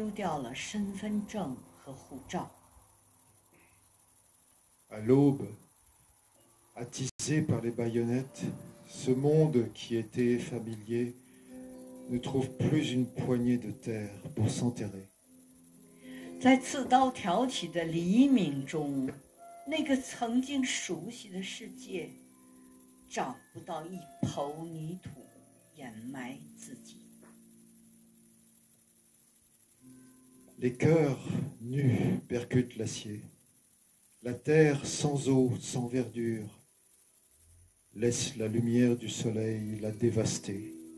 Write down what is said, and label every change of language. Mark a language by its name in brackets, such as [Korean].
[Chinese] 旗帜像还不懂事的孩子，扑在妈妈尸体上，哭喊着回家。我再不能分辨白昼和黑夜，时间被枪声惊呆，如同失去记忆的植物人，枪口顶住我的后腰，我丢掉了身份证和护照。 [French] À l'aube, attisé par les baïonnettes, ce monde qui était familier ne trouve plus une poignée de terre pour s'enterrer. [Chinese] 在刺刀挑起的黎明中，那个曾经熟悉的世界，找不到一抔泥土掩埋自己。 [French] Les cœurs nus percutent l'acier. La terre sans eau, sans verdure, laisse la lumière du soleil la dévaster.